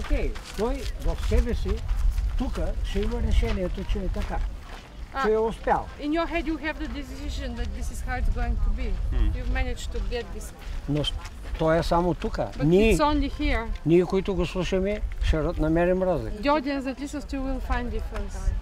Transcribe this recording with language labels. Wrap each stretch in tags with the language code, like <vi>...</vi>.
<bg>Okay, той в себе си, тука, ще има решението, че е така. Че е успял.</bg> <en>In your head you have the decision that this is how it's going to be. Hmm. You've managed to get this.</en> <bg>Но то е само тука. Ние, които го слушаме, ще намерим разлика.</bg> <en>The audience that listens to will find difference.</en>